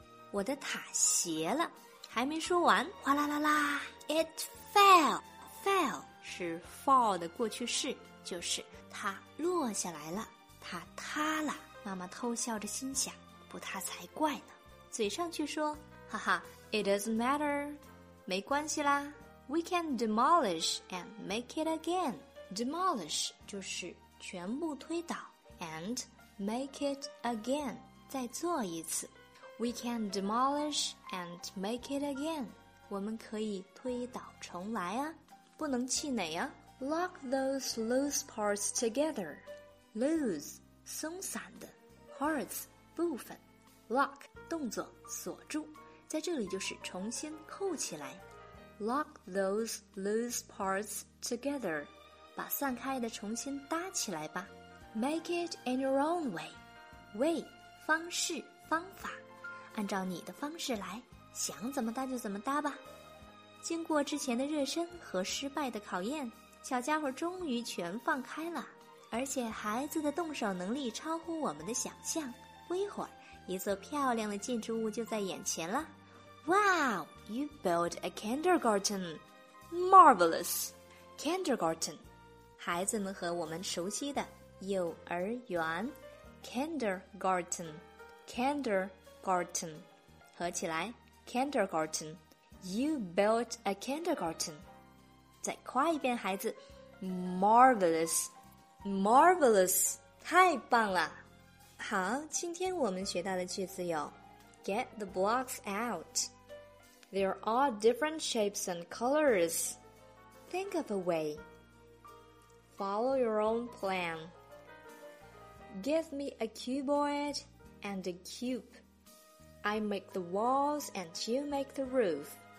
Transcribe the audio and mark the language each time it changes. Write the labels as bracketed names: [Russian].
[Chinese] 我的塔斜了。还没说完，哗啦啦啦， [English] It fell. [Chinese] Fell 是 fall 的过去式，就是它落下来了，它塌了。妈妈偷笑着心想，不塌才怪呢，嘴上去说，哈哈， [English] It doesn't matter. [Chinese] 没关系啦， [English] We can demolish and make it again. Demolish [Chinese] 就是全部推倒， [English] And make it again [Chinese] 再做一次。 [English] We can demolish and make it again. [Chinese] 我们可以推倒重来啊，不能气馁啊。 [English] Lock those loose parts together. [Chinese] Loose, 松散的。Parts, 部分。 Lock, 动作锁住。在这里就是重新扣起来。 [English] Lock those loose parts together. [Chinese] 把散开的重新搭起来吧。 [English] Make it in your own way. [Chinese] Way, 方式方法。按照你的方式来，想怎么搭就怎么搭吧。经过之前的热身和失败的考验，小家伙终于全放开了。而且孩子的动手能力超乎我们的想象，不一会儿一座漂亮的建筑物就在眼前了。 [English] Wow, you built a kindergarten. Marvelous. Kindergarten, [Chinese] 孩子们和我们熟悉的幼儿园。 [English] Kindergarten, Kindergarten Garten, [Chinese] 合起来 ,Kindergarten. [English] You built a kindergarten. [Chinese] 再夸一遍孩子。 [English] Marvelous, marvelous, [Chinese] 太棒了。好，今天我们学到的句子有 [English] Get the blocks out. There are different shapes and colors. Think of a way. Follow your own plan. Give me a cuboid and a cube. I make the walls and you make the roof.